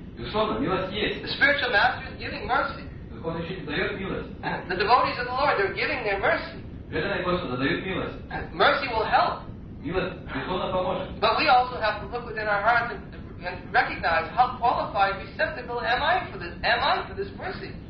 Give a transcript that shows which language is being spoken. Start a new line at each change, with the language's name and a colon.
Russian: Безусловно, милость есть.
English: The spiritual master is giving mercy.
Russian: Духовный учитель дает милость.
English: The devotees of the Lord, they're giving their mercy.
Russian: Преданные просто дают милость.
English: Mercy will help.
Russian: Милость безусловно поможет.
English: But we also have to look within our hearts and recognize how qualified receptacle am I for this mercy.